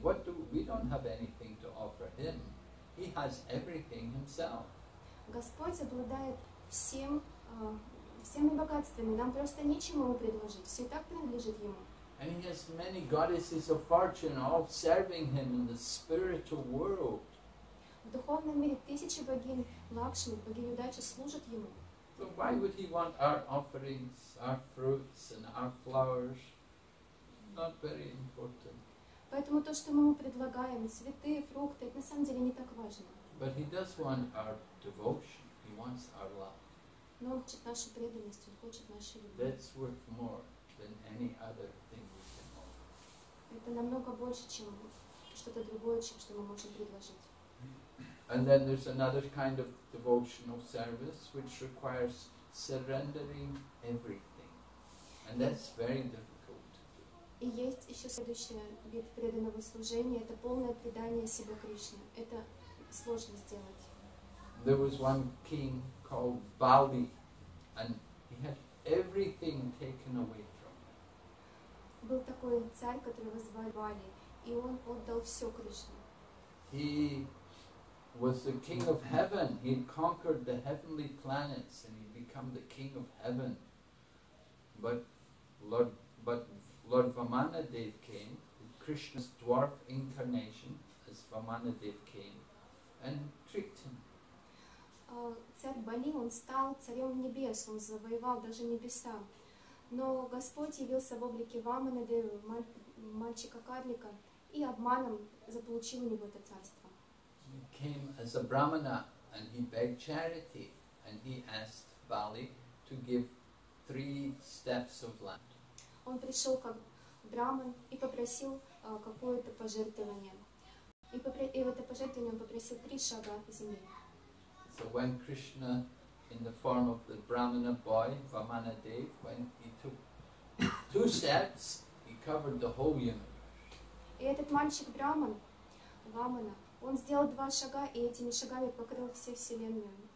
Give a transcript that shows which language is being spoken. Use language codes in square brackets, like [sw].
[en] What do we don't have anything to offer him? He has everything himself. [ru] Господь обладает всем всеми богатствами. Нам просто нечему ему предложить. Все так принадлежит ему. [en] And he has many goddesses of fortune all serving him in the spiritual world. [ru] В духовном мире тысячи богинь Лакшми, богинь удачи, служат ему. [en] So why would he want our offerings, our fruits and our flowers? Not very important. [ru] Поэтому то, что мы ему предлагаем, цветы, фрукты, это на самом деле не так важно. [en] But he does want our devotion. He wants our love. [ru] Но он хочет нашу преданность, он хочет нашу любовь. [en] That's worth more than any other thing we can offer. [ru] Это намного больше, чем что-то другое, чем что мы можем предложить. [en] And then there's another kind of devotional service which requires surrendering everything. And that's very difficult. [ru] И есть еще следующий вид преданного служения, это полное предание себя Кришне. Это сложно сделать. [en] There was one king called Bali, and he had everything taken away from him. [ru] Был такой царь, которого звали Бали, и он отдал все Кришне. [en] He was the king of heaven. He conquered the heavenly planets, and he became the king of heaven. But Lord Vamanadev came, Krishna's dwarf incarnation as Vamanadev came and tricked him. [ru] Царь Бали, он стал царем небес, он завоевал даже небеса. Но Господь явился в облике Ваманадева, мальчика-карлика, и обманом заполучил у него это царство. [en] He came as a brahmana and he begged charity and he asked Bali to give 3 steps of land. [ru] Он пришел как браман и попросил какое-то пожертвование. И в это пожертвование он попросил 3 шага от земли. [en] So when Krishna, in the form of the brahmana boy, Vamanadev, when he took 2 steps, he covered the whole universe. [ru] И этот мальчик браман, Вамана, он сделал 2 шага и этими шагами покрыл всю вселенную.